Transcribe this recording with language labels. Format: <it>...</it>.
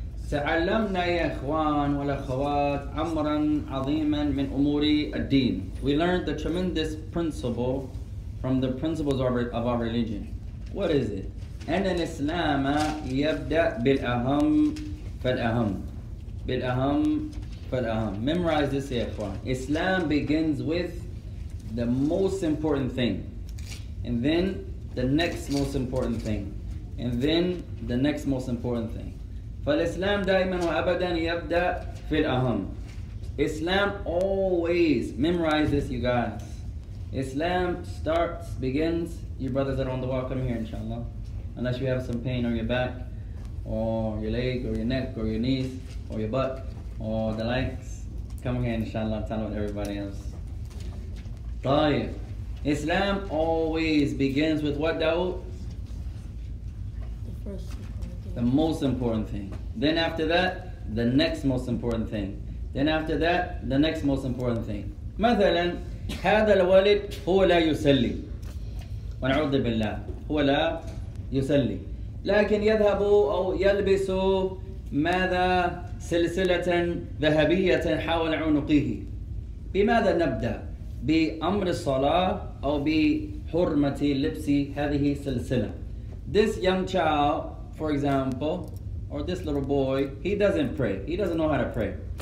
<ar>تعلمنا يا إخوان والأخوات أمرا عظيما من أمور الدين.</ar> <en>We learned the tremendous principle from the principles of our religion. What is it?</en> <ar>أن الإسلام يبدأ بالأهم فالأهم بالأهم فالأهم.</ar> <en>Memorize this</en> <ar>يا إخوان.</ar> <en>Islam begins with the most important thing, and then the next most important thing, and then the next most important thing.</en> <ar>فالإسلام دائما وأبدا يبدأ في الأهم.</ar> <en>Islam always, memorize this you guys. Islam starts, begins, your brothers are on the walk, come here inshallah. Unless you have some pain on your back, or your leg, or your neck, or your knees, or your butt, or the legs, come here inshallah, tell them everybody else. طيب, Islam always begins with what, Dawood? The most important thing. Then after that, the next most important thing. Then after that, the next most important thing.</en> <ar>مثلا, هذا الولد هو لا يسلي. ونعوذ بالله. هو لا يسلي. لكن يذهب أو يلبس ماذا سلسلة ذهبية حول عنقه. بماذا نبدأ؟ بأمر الصلاة أو بحرمة لبس هذه السلسلة.</ar> <en>This young child, for example, or this little boy, he doesn't pray. He doesn't know how to pray.</en>